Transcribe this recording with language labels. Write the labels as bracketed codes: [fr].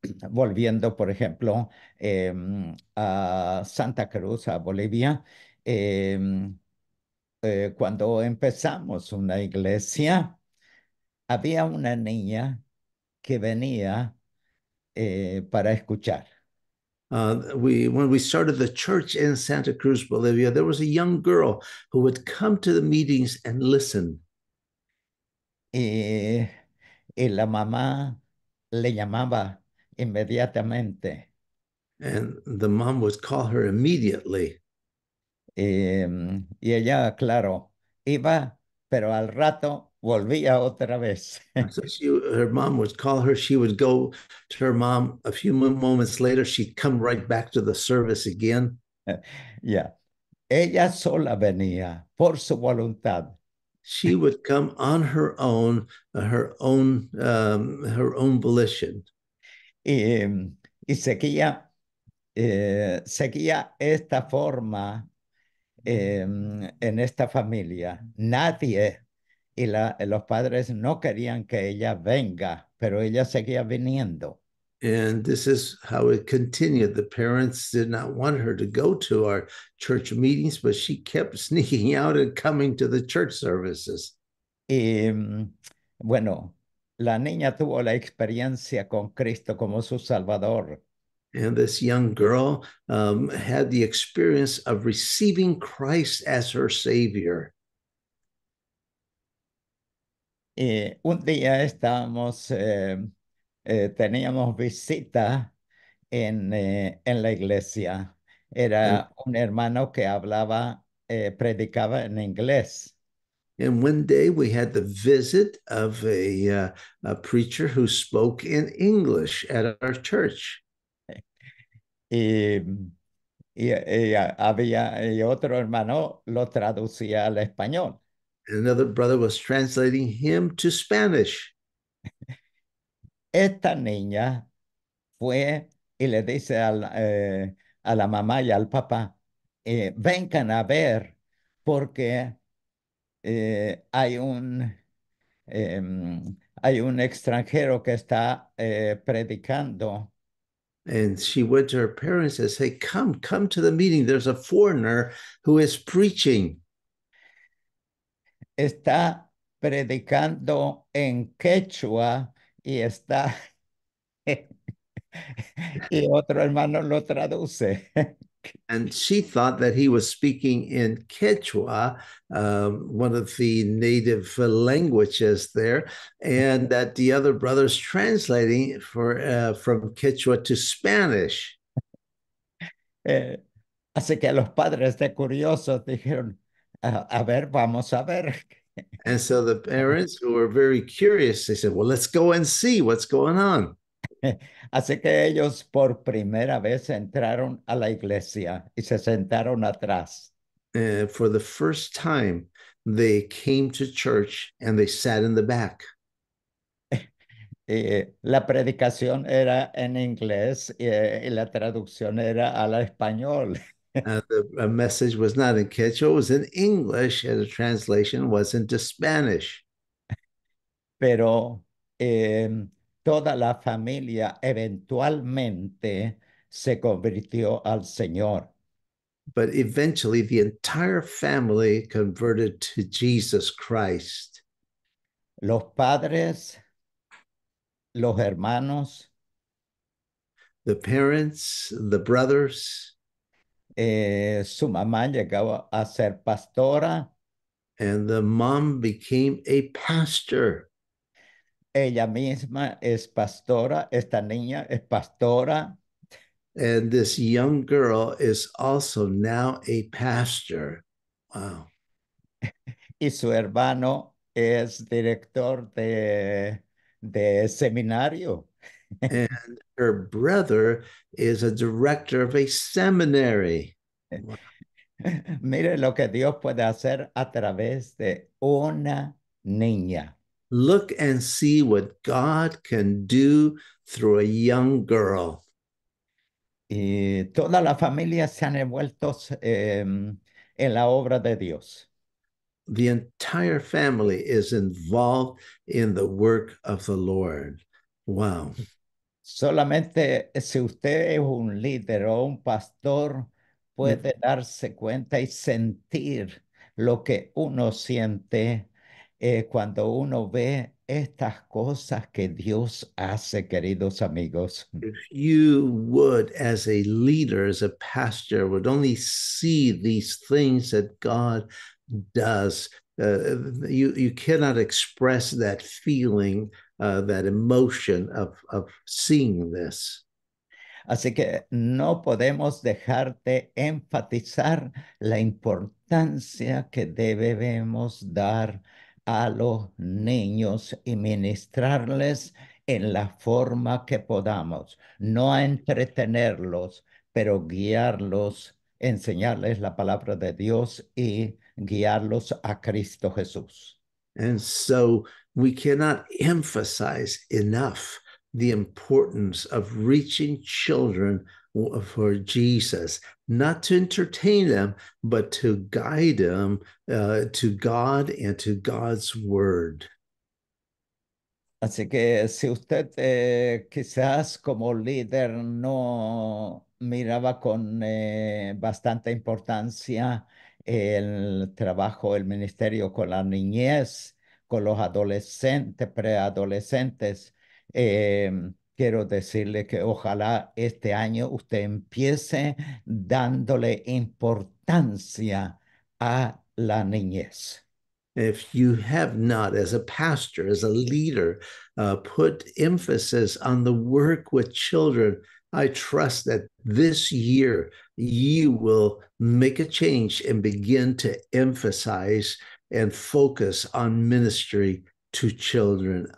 [es] Volviendo, por ejemplo, a Santa Cruz, a Bolivia, cuando empezamos una iglesia, había una niña que venía para escuchar. [en] When we started the church in Santa Cruz, Bolivia, there was a young girl who would come to the meetings and listen. [es] Y la mamá le llamaba inmediatamente. [en] And the mom would call her immediately. [es] Y ella, claro, iba, pero al rato volvía otra vez. [en] So her mom would call her. She would go to her mom. A few moments later, she'd come right back to the service again. [es] Yeah. Ella sola venía por su voluntad. [en] She would come on her own volition. [es] Y seguía, seguía esta forma en esta familia. Nadie y los padres no querían que ella venga, pero ella seguía viniendo. [en] And this is how it continued. The parents did not want her to go to our church meetings, but she kept sneaking out and coming to the church services. [es] Y bueno, la niña tuvo la experiencia con Cristo como su Salvador. [en] And this young girl had the experience of receiving Christ as her Savior. [es] Y un día estábamos, teníamos visita en la iglesia. Era un hermano que hablaba, predicaba en inglés. [en] And one day we had the visit of a preacher who spoke in English at our church. [es] Y otro hermano lo traducía al español. [en] Another brother was translating him to Spanish. [es] Esta niña fue y le dice a la mamá y al papá, vengan a ver porque hay un extranjero que está predicando. [en] And she went to her parents and said, come to the meeting. There's a foreigner who is preaching. [es] Está predicando en Quechua y está y otro hermano lo traduce. [en] And she thought that he was speaking in Quechua, one of the native languages there, and that the other brother's translating from Quechua to Spanish. [es] Así que los padres de curiosos dijeron, a ver, vamos a ver. [en] And so the parents, who were very curious, they said, well, let's go and see what's going on. [es] Así que ellos por primera vez entraron a la iglesia y se sentaron atrás. [en] For the first time, they came to church and they sat in the back. [es] La predicación era en inglés y la traducción era al español. [en] A message was not in Quechua, it was in English, and the translation was into Spanish. [es] Pero toda la familia eventualmente se convirtió al Señor. [en] But eventually, the entire family converted to Jesus Christ. [es] Los padres, los hermanos, [en] the parents, the brothers. [es] Su mamá llegaba a ser pastora. [en] And the mom became a pastor. [es] Ella misma es pastora, esta niña es pastora. [en] And this young girl is also now a pastor. Wow. [es] Y su hermano es director de seminario. [en] And her brother is a director of a seminary. Wow. [es] Mire lo que Dios puede hacer a través de una niña. [en] Look and see what God can do through a young girl. [es] Y toda la familia se han envuelto en la obra de Dios. [en] The entire family is involved in the work of the Lord. Wow. [es] Solamente si usted es un líder o un pastor, puede darse cuenta y sentir lo que uno siente cuando uno ve estas cosas que Dios hace, queridos amigos. [en] If you would, as a leader, as a pastor, would only see these things that God does, you cannot express that feeling, that emotion of seeing this. [es] Así que no podemos dejar de enfatizar la importancia que debemos dar a los niños y ministrarles en la forma que podamos. No a entretenerlos, pero guiarlos, enseñarles la palabra de Dios y guiarlos a Cristo Jesús. [en] And so we cannot emphasize enough the importance of reaching children for Jesus, not to entertain them, but to guide them to God and to God's word. [es] Así que si usted quizás como líder no miraba con bastante importancia el trabajo, el ministerio con la niñez, con los adolescentes, preadolescentes, quiero decirle que ojalá este año usted empiece dándole importancia a la niñez. [en] If you have not, as a pastor, as a leader, put emphasis on the work with children, I trust that this year you will make a change and begin to emphasize and focus on ministry to children.